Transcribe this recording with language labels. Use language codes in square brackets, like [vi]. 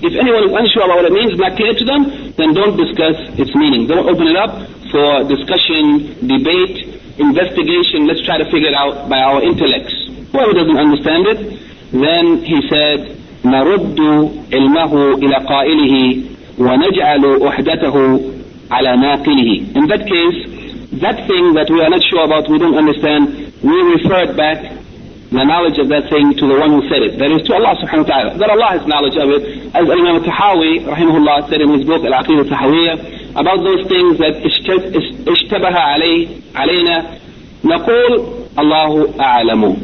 [en] If anyone is unsure about what it means, not clear to them, then don't discuss its meaning. Don't open it up for discussion, debate, investigation, let's try to figure it out by our intellects. Whoever doesn't understand it, then he said, [ar] نَرُدُّ عِلْمَهُ إِلَى قَائِلِهِ وَنَجْعَلُ أُحْدَتَهُ عَلَى نَاقِلِهِ. [en] In that case, that thing that we are not sure about, we don't understand, we refer it back, the knowledge of that thing, to the one who said it. That is to Allah subhanahu wa ta'ala. That Allah has knowledge of it. As Imam al-Tahawi, rahimahullah, said in his book, Al-Aqidah al-Tahawiyyah, about those things that [ar] ishtabaha alayna, naqul Allahu a'lamu.